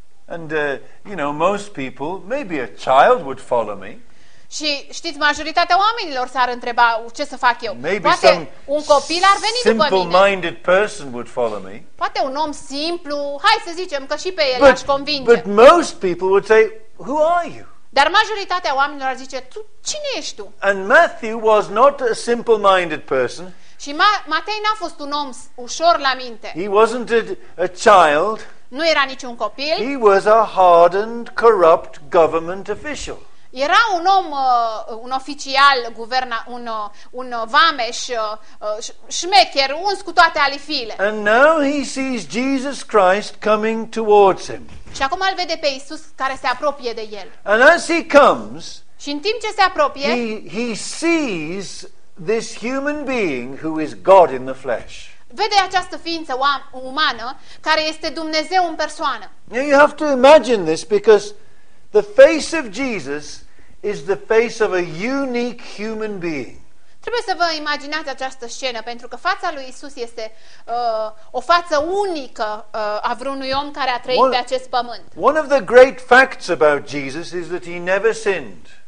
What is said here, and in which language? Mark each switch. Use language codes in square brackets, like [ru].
[en] And you know, most people, maybe a child would follow me. [ro] Și știți, majoritatea oamenilor s-ar întreba ce să fac eu. [en] Maybe [ro] poate un copil ar veni după mine. [en] Simple-minded person would follow me. [ro] Poate un om simplu, hai să zicem că și pe el [en] but, [ro] aș convinge. [en] But most people would say, who are you? [ro] Dar majoritatea oamenilor ar zice, tu cine ești tu? [en] And Matthew was not a simple-minded person. [ro] Și Matei n-a fost un om ușor la minte. [en] He wasn't a child. [ro] Nu era niciun copil. [en] He was a hardened, corrupt government official. [ro] Era un om, un oficial, un vameș, șmecher, uns cu toate alifiile. [en] And now he sees Jesus Christ coming towards him. [ro] Și acum îl vede pe Iisus care se apropie de el. [en] And as he comes, [ro] și în timp ce se apropie, [en] he sees this human being who is God in the flesh. [ro] Vede această ființă umană care este Dumnezeu în persoană. [en] Now you have to imagine this because the face of Jesus is the face of a unique human being. [ro] Trebuie să vă imaginați această scenă, pentru că fața lui Isus este o față unică a vreunui om care a trăit pe acest pământ. [en] One of the great facts about Jesus is that he never sinned.